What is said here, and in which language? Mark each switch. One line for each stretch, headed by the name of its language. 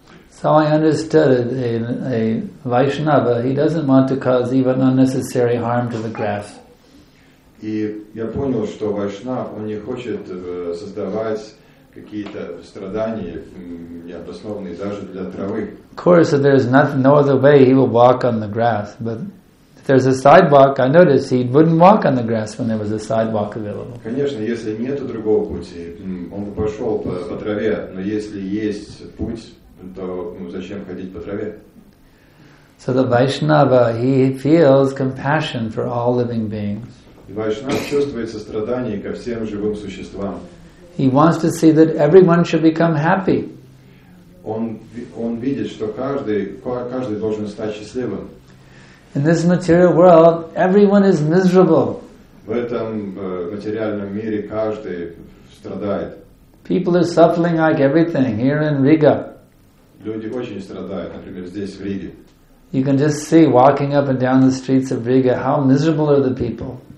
English: So I understood a Vaishnava, he doesn't want to cause even unnecessary harm to the grass.
Russian: И я понял, что Вайшнав, он не хочет создавать какие-то страдания, необоснованные даже для травы.
English: Of course, there's no other way he will walk on the grass. But if there's a sidewalk, I noticed he wouldn't walk on the grass when there was a sidewalk available.
Russian: Конечно, если нет другого пути, он бы пошел по траве. Но если есть путь, то зачем ходить по траве?
English: So the Vaishnava, he feels compassion for all living beings.
Russian: И Вайшнав чувствует сострадание ко всем живым существам.
English: He wants to see that everyone should become happy.
Russian: Он видит, что каждый должен стать счастливым.
English: In this material world, everyone is miserable.
Russian: В этом материальном мире каждый страдает.
English: People are suffering like everything here in Riga.
Russian: Люди очень страдают, например, здесь в Риге.
English: You can just see walking up and down the streets of Riga how miserable are the people.